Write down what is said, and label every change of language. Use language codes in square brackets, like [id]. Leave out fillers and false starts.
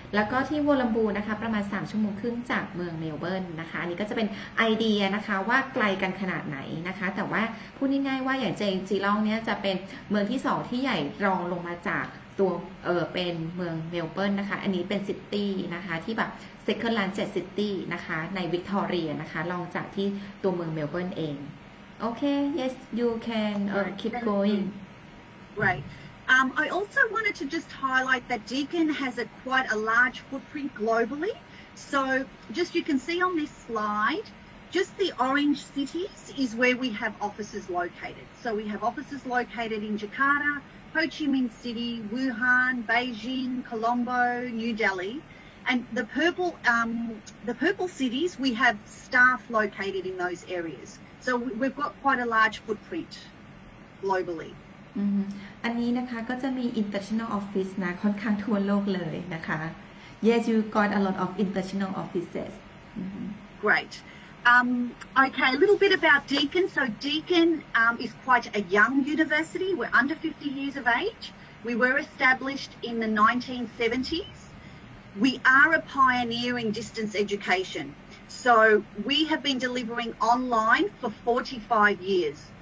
[th] แล้วก็ที่วอลลัมบูนะคะประมาณ3ชั่วโมงครึ่งจากเมืองเมลเบิร์นนะคะอันนี้ก็จะเป็นไอเดียนะคะว่าไกลกันขนาดไหนนะคะแต่ว่าพูดง่ายๆว่าอย่างเช่นจีล่องเนี่ยจะเป็นเมืองที่2ที่ใหญ่รองลงมาจากตัวเป็นเมืองเมลเบิร์นนะคะอันนี้เป็นซิตี้นะคะที่แบบเซคันด์ลันเจ็ดซิตี้นะคะในวิกตอเรียนะคะรองจากที่ตัวเมืองเมลเบิร์นเองโอเค [en] yes you can keep going right I also wanted to just highlight that Deakin has a quite a large footprint globally so just you can see on this slide just the orange cities is where we have offices located so we have offices located in JakartaHo Chi Minh City, Wuhan, Beijing, Colombo, New Delhi, and the purple cities, we have staff located in those areas. So we've got quite a large footprint globally. [th] อันนี้นะคะก็จะมี international office นะค่อนข้างทั่วโลกเลยนะคะ [en] Yes, you got a lot of international offices. Mm-hmm. Great. Okay, a little bit about Deakin. So Deakin is quite a young university. We're under 50 years of age. We were established in the 1970s. We are a pioneer in distance education. So we have been delivering online for 45 years.